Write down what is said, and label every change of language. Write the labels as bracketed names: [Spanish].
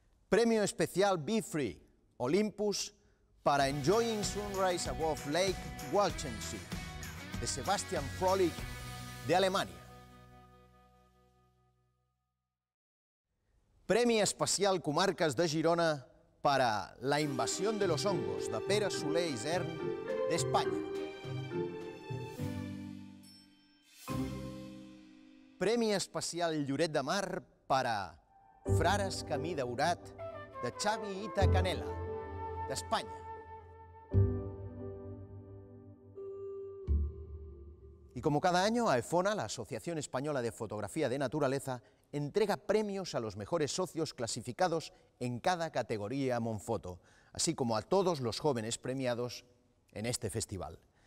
[Spanish] Premio especial Be Free Olympus para Enjoying Sunrise Above Lake Walchensee de Sebastian Frolic de Alemania. Premio especial Comarcas de Girona para La invasión de los hongos de Pere Soler i Isern de España. [Catalan] Premi especial Lloret de Mar per a Frares Camí Daurat de Xavi Ita Canela, d'Espanya. [Spanish] Y como cada año, AEFONA, la Asociación Española de Fotografía de Naturaleza, entrega premios a los mejores socios clasificados en cada categoría Monfoto, así como a todos los jóvenes premiados en este festival.